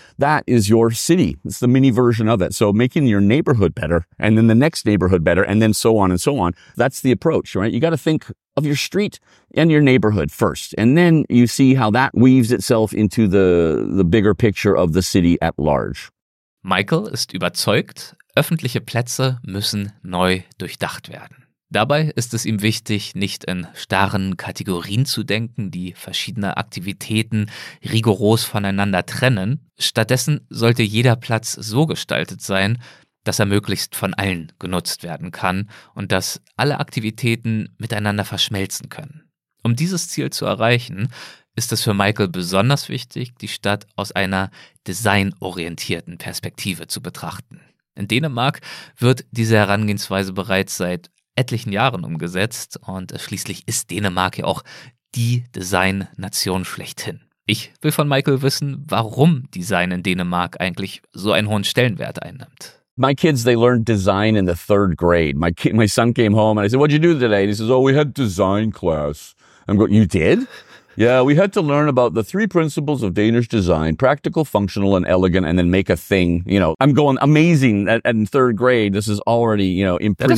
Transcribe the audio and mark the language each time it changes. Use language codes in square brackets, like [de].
[en] That is your city. It's the mini version of it. So making your neighborhood better and then the next neighborhood better and then so on and so on. That's the approach, right? You got to think of your street and your neighborhood first. And then you see how that weaves itself into the bigger picture of the city at large. [de] Michael ist überzeugt, öffentliche Plätze müssen neu durchdacht werden. Dabei ist es ihm wichtig, nicht in starren Kategorien zu denken, die verschiedene Aktivitäten rigoros voneinander trennen. Stattdessen sollte jeder Platz so gestaltet sein, dass er möglichst von allen genutzt werden kann und dass alle Aktivitäten miteinander verschmelzen können. Um dieses Ziel zu erreichen, ist es für Michael besonders wichtig, die Stadt aus einer designorientierten Perspektive zu betrachten. In Dänemark wird diese Herangehensweise bereits seit etlichen Jahren umgesetzt und schließlich ist Dänemark ja auch die Design-Nation schlechthin. Ich will von Michael wissen, warum Design in Dänemark eigentlich so einen hohen Stellenwert einnimmt. [en] My kids, they learned design in the third grade. My son came home and I said, what'd you do today? And he says, oh, we had design class. I'm going, you did? Yeah, we had to learn about the three principles of Danish design, practical, functional, and elegant, and then make a thing. You know, I'm going, amazing, in third grade, this is already, you know, imprinted.